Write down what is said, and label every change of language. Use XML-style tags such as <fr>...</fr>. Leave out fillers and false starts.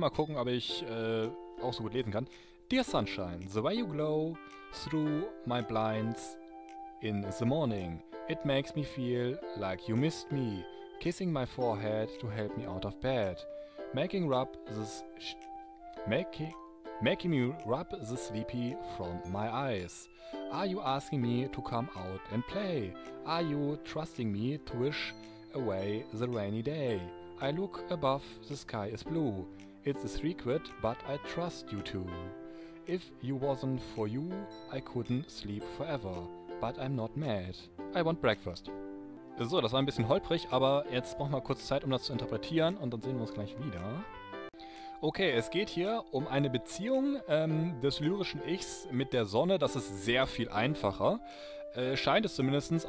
<de>Mal gucken, ob ich auch so gut lesen kann.</de> <en>Dear Sunshine, the way you glow through my blinds in the morning. It makes me feel like you missed me. Kissing my forehead to help me out of bed. Making me rub the sleepy from my eyes. Are you asking me to come out and play? Are you trusting me to wish away the rainy day? I look above, the sky is blue. It's a secret, but I trust you too. If you wasn't for you, I couldn't sleep forever. But I'm not mad. I want breakfast.</en> <de>So, das war ein bisschen holprig, aber jetzt brauchen wir kurz Zeit, um das zu interpretieren. Und dann sehen wir uns gleich wieder. Okay, es geht hier um eine Beziehung des lyrischen Ichs mit der Sonne. Das ist sehr viel einfacher. Scheint es zumindest.</de>